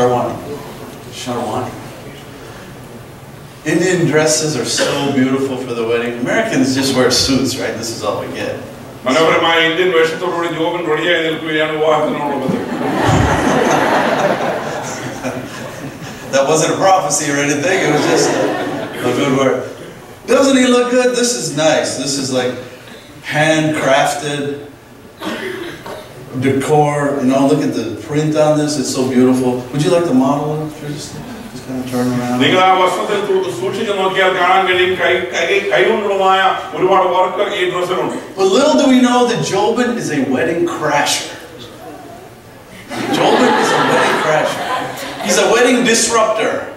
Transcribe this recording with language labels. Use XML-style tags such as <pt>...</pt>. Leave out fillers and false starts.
<en>Sharwani. Indian dresses are so beautiful for the wedding. Americans just wear suits, right? This is all we get.</en> <ml>മനോഹരമായ Indian വേഷത്തോടുകൂടി Joban റെഡിയായി നിൽക്കുകയാണ് വിവാഹത്തിനോടുള്ളത്.</ml> <en>That wasn't a prophecy or anything, it was just a good word. Doesn't he look good? This is nice. This is like handcrafted decor. You know, look at the print on this, it's so beautiful. Would you like to model it? Just gonna turn around.</en> <ml>നിങ്ങൾ ആ വസ്ത്രത്തെ സൂക്ഷിച്ചു നോക്കിയാൽ കാണാൻ കഴിയും കൈ കൈ കൈകൊണ്ടുള്ളതായ ഒരുപാട് work ഈ ഡ്രസ്സിലുണ്ട്.</ml> <en>But little do we know that Jobin is a wedding crasher. Jobin is a wedding crasher. He's a wedding disruptor.</en>